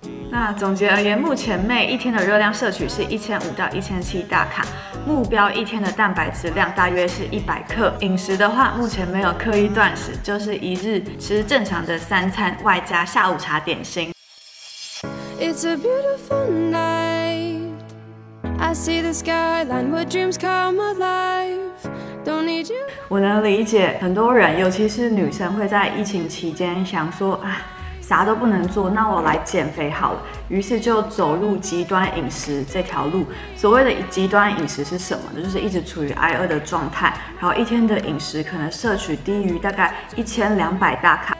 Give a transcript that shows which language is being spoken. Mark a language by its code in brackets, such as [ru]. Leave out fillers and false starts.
[zh] 那总结而言，目前妹一天的热量摄取是1500到1700大卡，目标一天的蛋白质量大约是100克。饮食的话，目前没有刻意断食，就是一日吃正常的三餐，外加下午茶点心。 [en] It's a beautiful night. I see the skyline where dreams come alive. [zh] 我能理解很多人，尤其是女生，会在疫情期间想说啊，啥都不能做，那我来减肥好了，于是就走入极端饮食这条路。所谓的极端饮食是什么呢？就是一直处于挨饿的状态，然后一天的饮食可能摄取低于大概1200大卡。